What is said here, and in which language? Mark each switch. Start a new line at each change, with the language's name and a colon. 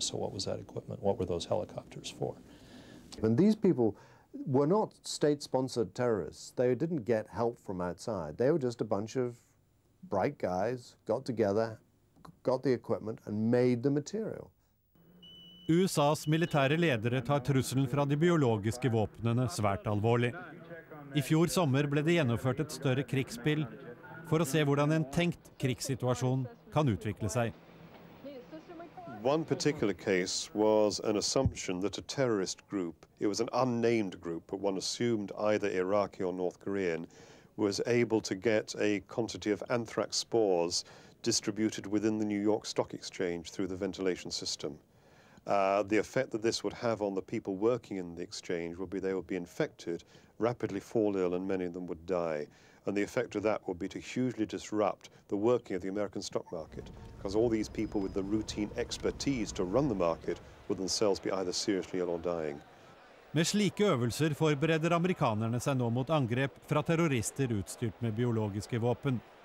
English: So what was that equipment? What were those helicopters for? And these people were not state-sponsored terrorists. They didn't get help from outside. They were just a bunch of bright guys, got together, got the equipment, and made the material.
Norwegian: USA's militære ledere tar trusselen fra de biologiske våpnene svært alvorlig. I fjor sommer ble det gjennomført et større krigsspill for å se hvordan en tenkt krigssituasjon kan utvikle seg.
English: One particular case was an assumption that a terrorist group, it was an unnamed group, but one assumed either Iraqi or North Korean, was able to get a quantity of anthrax spores distributed within the New York Stock Exchange through the ventilation system. The effect that this would have on the people working in the exchange would be they would be infected, rapidly fall ill, and many of them would die. And the effect of that would be to hugely disrupt the working of the American stock market, because all these people with the routine expertise to run the market would themselves be either seriously ill or dying.
Norwegian: Med slike øvelser forbereder amerikanerne seg nå mot angrep fra terrorister utstyrt med biologiske våpen.